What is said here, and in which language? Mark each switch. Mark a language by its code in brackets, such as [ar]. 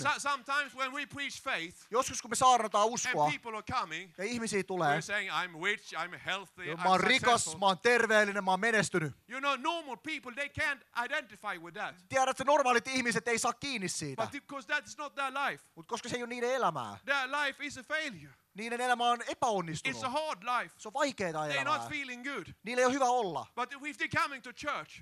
[en] So, sometimes when we preach faith, [fi] joskus kun me saarnataan uskoa, [en] and people are coming, [fi] ja ihmisiä tulee, [en] we're saying, I'm rich, I'm healthy, I'm successful. [fi] Mä oon rikas, mä oon terveellinen, mä oon menestynyt. [en] You know, normal people, they can't identify with that. [fi] Tiedät, että normaalit ihmiset ei saa kiinni siitä. [en] But because that's not their life. [fi] Mut koska se ei ole niiden elämää. [en] Their life is a failure. [fi] Niiden elämä on epäonnistunut. [en] It's a hard life. [fi] Se on vaikeeta elämää. [en] They're not feeling good. [fi] Niillä ei ole hyvä olla. [en] But if they're coming to church,